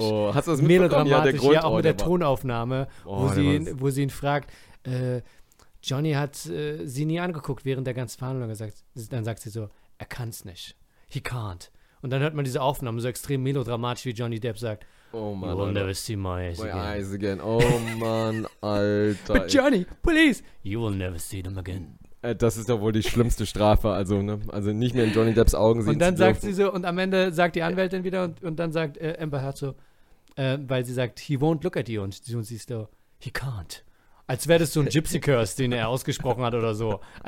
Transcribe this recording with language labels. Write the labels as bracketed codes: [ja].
[de] Oh, hast du das mitbekommen? Melodramatisch, ja, auch mit der Tonaufnahme, wo sie ihn fragt, Johnny hat sie nie angeguckt während der ganzen Verhandlung. Dann sagt sie so, er kann es nicht, [en] he can't. [de] Und dann hört man diese Aufnahme so extrem melodramatisch, wie Johnny Depp sagt, oh Mann, [en] you will never see my eyes again. [de] Oh Mann, Alter. [en] But Johnny, please. You will never see them again. [de] Das ist ja wohl die schlimmste Strafe. Also, ne? Also nicht mehr in Johnny Depps Augen sehen zu dürfen. Und dann sagt sie so, und am Ende sagt die Anwältin wieder, und dann sagt Amber Heard so, weil sie sagt, [en] he won't look at you. [de] Und sie ist so, [en] he can't. [de] Als wäre das so ein Gypsy Curse, den er ausgesprochen hat oder so.